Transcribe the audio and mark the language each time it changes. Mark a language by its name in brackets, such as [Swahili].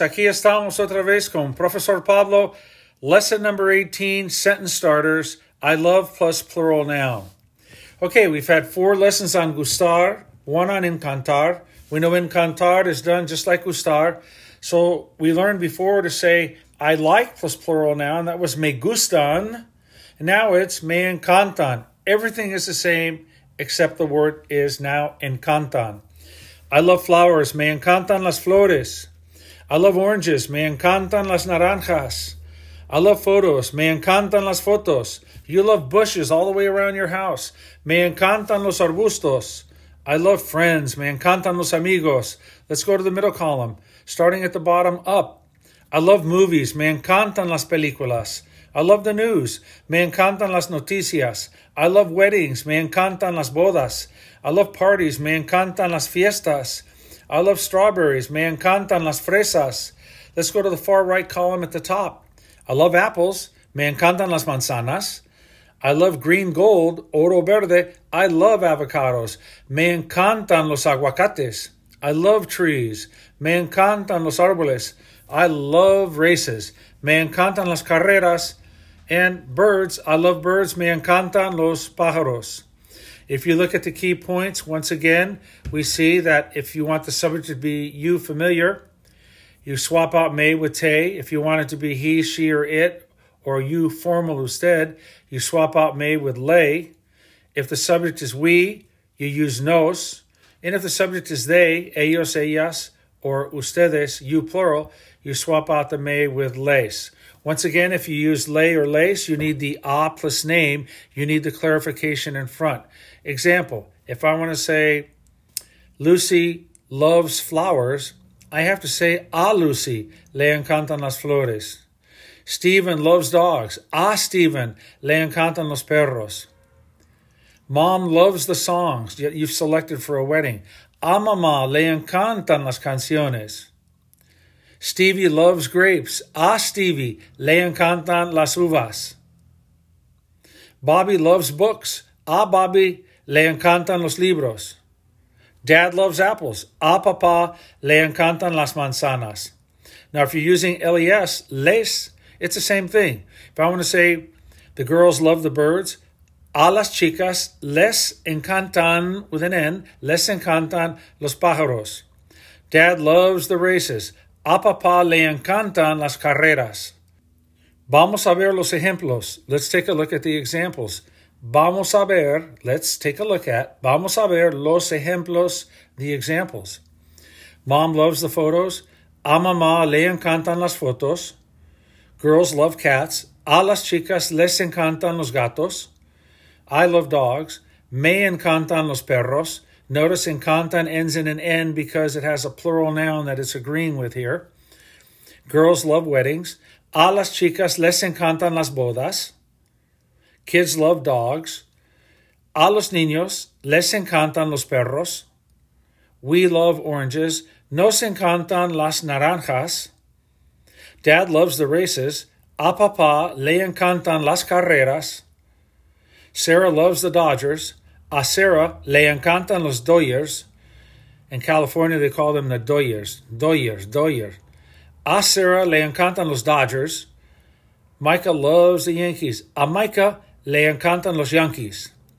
[Spanish] Aquí estamos otra vez con Profesor Pablo. [English] Lesson number 18, sentence starters, I love plus plural noun. Okay, we've had four lessons on gustar, one on encantar. We know encantar is done just like gustar. So we learned before to say I like plus plural noun. That was me gustan. And now it's me encantan. Everything is the same except the word is now encantan. I love flowers. [Spanish] Me encantan las flores. [English] I love oranges. [Spanish] Me encantan las naranjas. [English] I love photos. [Spanish] Me encantan las fotos. [English] You love bushes all the way around your house. [Spanish] Me encantan los arbustos. [English] I love friends. [Spanish] Me encantan los amigos. [English] Let's go to the middle column, starting at the bottom up. I love movies. [Spanish] Me encantan las películas. [English] I love the news. [Spanish] Me encantan las noticias. [English] I love weddings. [Spanish] Me encantan las bodas. [English] I love parties. [Spanish] Me encantan las fiestas. [English] I love strawberries. [Spanish] Me encantan las fresas. [English] Let's go to the far right column at the top. I love apples. [Spanish] Me encantan las manzanas. [English] I love green gold, [Spanish] oro verde. I love avocados. Me encantan los aguacates. [English] I love trees. [Spanish] Me encantan los árboles. [English] I love races. [Spanish] Me encantan las carreras. [English] And birds. I love birds. [Spanish] Me encantan los pájaros. [English] If you look at the key points, once again, we see that if you want the subject to be you familiar, you swap out me with te. If you want it to be he, she, or it, or you formal usted, you swap out me with le. If the subject is we, you use nos. And if the subject is they, ellos, ellas, or ustedes, you plural, you swap out the me with les. Once again, if you use le or les, you need the a plus name. You need the clarification in front. Example, if I want to say Lucy loves flowers, I have to say [Spanish] a Lucy le encantan las flores. [English] Stephen loves dogs. [Spanish] A Stephen le encantan los perros. [English] Mom loves the songs that you've selected for a wedding. [Spanish] A mamá le encantan las canciones. [English] Stevie loves grapes. [Spanish] A Stevie le encantan las uvas. [English] Bobby loves books. [Spanish] A Bobby le encantan los libros. [English] Dad loves apples. [Spanish] A papá le encantan las manzanas. [English] Now, if you're using les, les, it's the same thing. If I want to say the girls love the birds, [Spanish] a las chicas les encantan, [English] with an N, [Spanish] les encantan los pájaros. [English] Dad loves the races. [Spanish] A papá le encantan las carreras. Vamos a ver los ejemplos. [English] Let's take a look at the examples. [Spanish] Vamos a ver, [English] let's take a look at, [Spanish] vamos a ver los ejemplos, [English] the examples. Mom loves the photos. [Spanish] A mamá le encantan las fotos. [English] Girls love cats. [Spanish] A las chicas les encantan los gatos. [English] I love dogs. [Spanish] Me encantan los perros. [English] Notice encantan ends in an N because it has a plural noun that it's agreeing with here. Girls love weddings. [Spanish] A las chicas les encantan las bodas. [English] Kids love dogs. [Spanish] A los niños les encantan los perros. [English] We love oranges. [Spanish] Nos encantan las naranjas. [English] Dad loves the races. [Spanish] A papá le encantan las carreras. [English] Sarah loves the Dodgers. [Spanish] A Sarah le encantan los Dodgers. [English] In California, they call them the Dodgers. [Spanish] Dodgers, Dodgers. A Sarah le encantan los Dodgers. [English] Micah loves the Yankees. [Spanish] A Micah le encantan los Yankees.